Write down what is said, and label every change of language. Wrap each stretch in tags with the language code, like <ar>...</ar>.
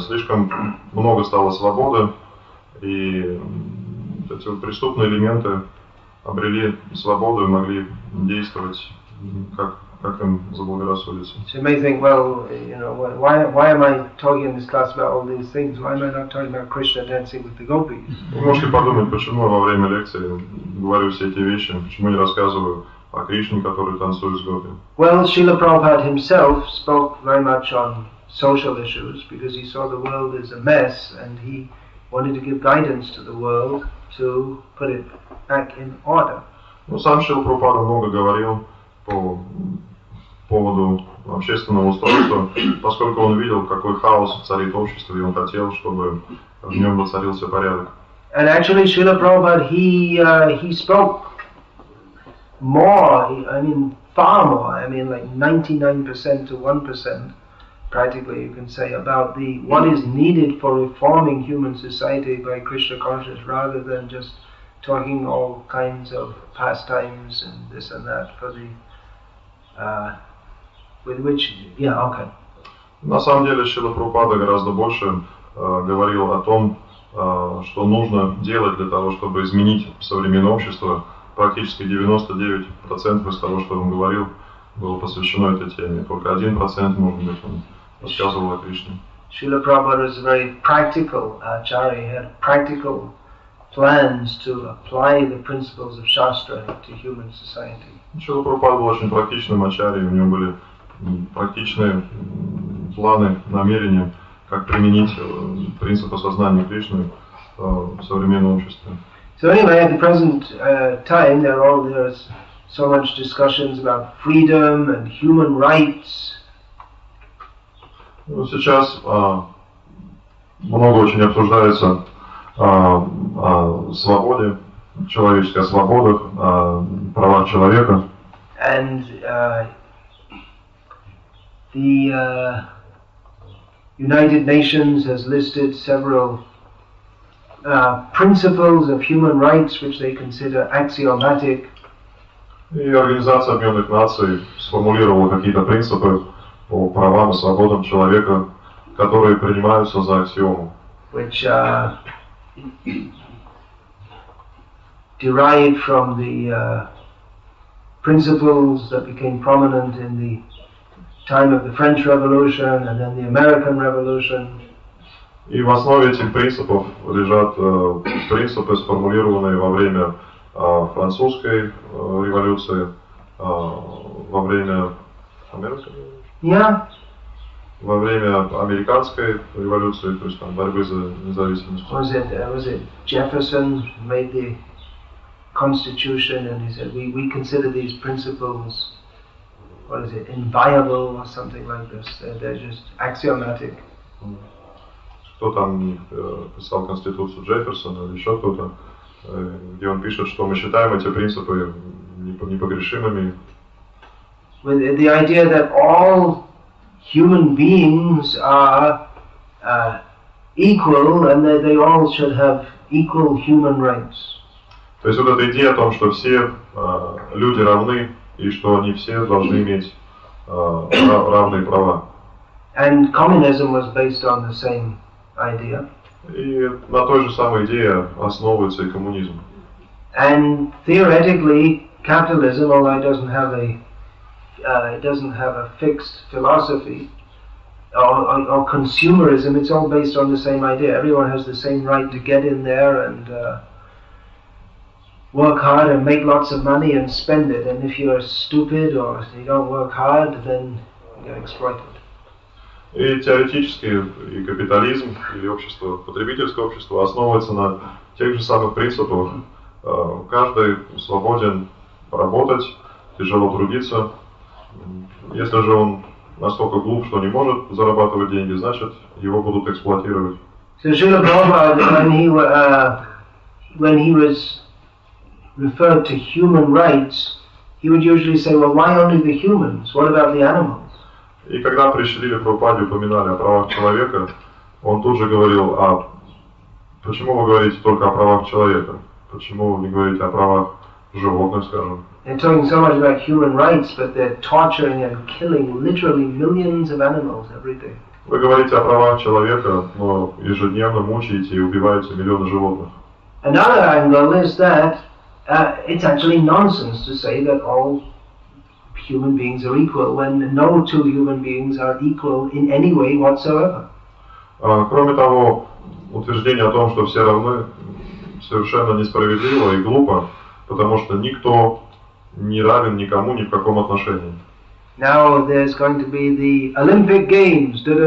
<ru>Слишком много стало свободы, и эти преступные элементы обрели свободу и могли действовать как им заблагорассудится.</ru> <en>So you may think, well, you know, why am I talking in this class about all these things? Why am I not talking about Krishna dancing with the gopis?</en> <ru>Вы можете подумать, почему я во время лекции говорю все эти вещи, почему не рассказываю о Кришне, который танцует с гопи?</ru> <en>Well, Srila Prabhupada himself spoke very much on social issues because he saw the world as a mess and he wanted to give guidance to the world to put it back in order.</en> <ru>Ну, сам Шрила Прабхупада много говорил по поводу общественного устройства, поскольку он видел, какой хаос царит в обществе, и он хотел, чтобы в нем воцарился порядок.</ru> <en>And actually, Srila Prabhupada, he spoke more, like 99% to 1%, practically, you can say, about the what is needed for reforming human society by Krishna conscious, rather than just talking all kinds of pastimes and this and that for the with which yeah okay.</en> <ru>На самом деле Шрила Прабхупада гораздо больше говорил о том, что нужно делать для того, чтобы изменить современное общество. Практически 99% из того, что он говорил, было посвящено этой теме. Только 1%, может быть, он рассказывал о Кришне.</ru> <en>Шрила Прабхупада was a very practical acharya. He had practical plans to apply the principles of Shastra to human society.</en> <ru>Шрила Прабхупада был очень практичным ачарьей, у него были практичные планы, намерения, как применить принципы сознания Кришны в современном обществе.</ru> <en>So anyway, at the present time, there's so much discussions about freedom and human rights.</en> <ru>Ну, сейчас много очень обсуждается свободе, человеческой свободе, права человека.</ru> <en>And the United Nations has listed several principles of human rights which they consider axiomatic.</en> <ru>И Организация Объединенных Наций сформулировала какие-то принципы по правам и свободам человека, которые принимаются за аксиому.</ru> <en>Which derived from the principles that became prominent in the time of the French Revolution and then the American Revolution.</en> <ru>И в основе этих принципов лежат принципы, сформулированные во время французской революции, во время американской.</ru> <en>Yeah.</en> <ru>Во время американской революции, то есть там борьбы за независимость.</ru> <en>Was it Jefferson made the Constitution and he said we consider these principles, what is it, inviolable or something like this? They're just axiomatic.</en> <ru>Кто там писал Конституцию Джефферсона или еще кто-то, где он пишет, что мы считаем эти принципы непогрешимыми.</ru> <en>With the idea that all human beings are equal and that they all should have equal human rights.</en> <ru>То есть вот эта идея о том, что все люди равны и что они все должны иметь равные права.</ru> <en>And communism was based on the same idea.</en> <ru>И на той же самой идее основывается и коммунизм.</ru> <en>And theoretically, capitalism, although it doesn't have a fixed philosophy, or consumerism, it's all based on the same idea. Everyone has the same right to get in there and work hard and make lots of money and spend it. And if you're stupid or you don't work hard, then you're exploited.</en> <ru>И теоретически и капитализм, или общество, потребительское общество основывается на тех же самых принципах. Каждый свободен работать, тяжело трудиться. Если же он настолько глуп, что не может зарабатывать деньги, значит, его будут эксплуатировать.</ru> <en>So Srila Prabhupada, when he was referred to human rights, he would usually say, well, why only the humans? What about the animals?</en> <ru>И когда при Шриле Прабхупаде упоминали о правах человека, он тут же говорил, а почему вы говорите только о правах человека? Почему вы не говорите о правах животных, скажем?</ru> <en>They're talking so much about human rights, but they're torturing and killing literally millions of animals every day.</en> <ru>Вы говорите о правах человека, но ежедневно мучаете и убиваете миллионы животных.</ru> <en>Another angle is that it's actually nonsense to say that all human beings are equal when no two human beings are equal in any way whatsoever.</en> <ru>Кроме того, утверждение о том, что все равны, совершенно несправедливо и глупо, потому что никто не равен никому ни в каком отношении.</ru> <en>Now there's going to be the Olympic Games.</en>